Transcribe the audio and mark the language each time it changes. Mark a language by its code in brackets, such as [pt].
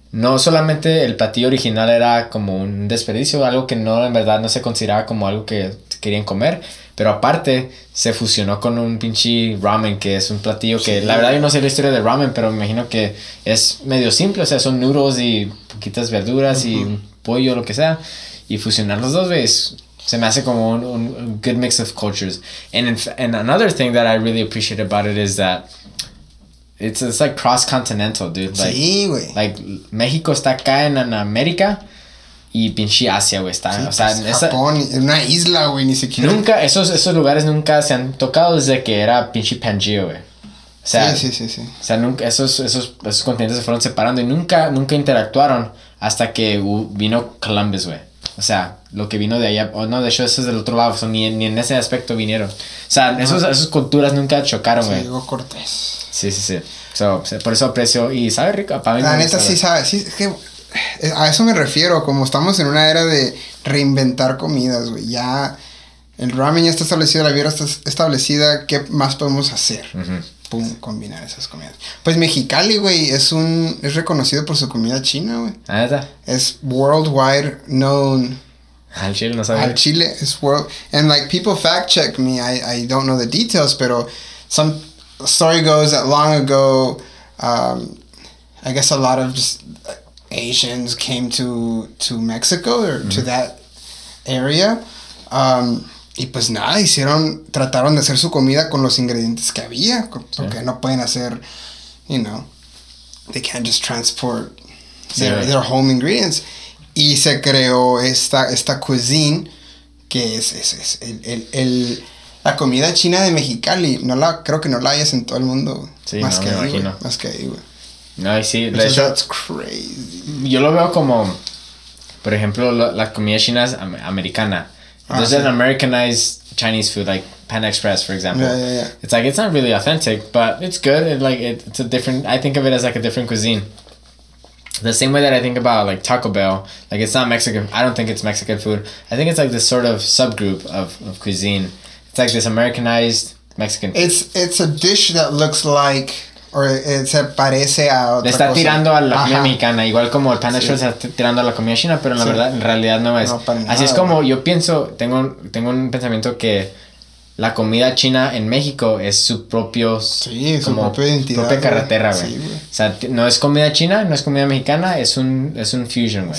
[es] No solamente el platillo original era como un desperdicio, algo que no, en verdad, no se consideraba como algo que querían comer, pero aparte se fusionó con un pinche ramen, que es un platillo que, sí, la verdad, yo no sé la historia del ramen, pero me imagino que es medio simple, o sea, son noodles y poquitas verduras y un pollo, lo que sea, y fusionar los dos, ¿ves? Se me hace como un [en] good mix of cultures. And another thing that I really appreciate about it is that It's like cross-continental, dude. Like, [es] sí, güey. Like, México está acá en América y pinche Asia, güey, está. Sí, o sea, pues, Japón, esa, una isla, güey, ni siquiera. Nunca, esos lugares nunca se han tocado desde que era pinche Pangea, güey. O sea, sí. O sea, nunca, esos continentes se fueron separando y nunca interactuaron hasta que vino Columbus, güey. O sea, lo que vino de allá, no, de hecho, eso es del otro lado, o sea, ni en ese aspecto vinieron. O sea, no. esas culturas nunca chocaron, güey. Sí, llegó Cortés. Sí. Por eso aprecio, y sabe rico, para mí. La neta, sí sabe, sí, es que a eso me refiero, como estamos en una era de reinventar comidas, güey, ya el ramen ya está establecido, la birra está establecida, ¿qué más podemos hacer? Uh-huh. Pum, combinar esas comidas. Pues Mexicali, güey, es reconocido por su comida china, güey. La neta. Es [en] worldwide known. [es] Al chile no sabe. Al chile es [en] world, and like people fact check me, I don't know the details, [es] pero [en] some story goes that long ago, I guess a lot of just Asians came to Mexico or to that area. [es] Y pues nada, trataron de hacer su comida con los ingredientes que había, porque no pueden hacer, [en] you know, they can't just transport their home ingredients. [es] Y se creó esta cuisine que es el la comida china de Mexicali, no la, creo que no la hayas en todo el mundo. Sí, más no, que me ahí, imagino. Más que ahí, güey. No, y sí. De hecho, [en] that's crazy. [es] Yo lo veo como, por ejemplo, la comida china es americana. [en] There's an Americanized Chinese food, like Panda Express, for example. Yeah, yeah, yeah. It's like, it's not really authentic, but it's good. It, like, it, it's a different, I think of it as like a different cuisine. The same way that I think about like Taco Bell, like it's not Mexican. I don't think it's Mexican food. I think it's like this sort of subgroup of cuisine. It's like this Americanized Mexican food. It's a dish that looks like, or it [es] se parece a otra cosa. Está tirando a la comida mexicana, igual como el Panda Express está tirando a la comida china, pero en la verdad, en realidad no es. Así es como yo pienso, tengo un pensamiento que la comida china en México es su propio... Sí, su propia identidad. Propia carretera, güey. Sí, güey. O sea, no es comida china, no es comida mexicana, es un fusion, güey.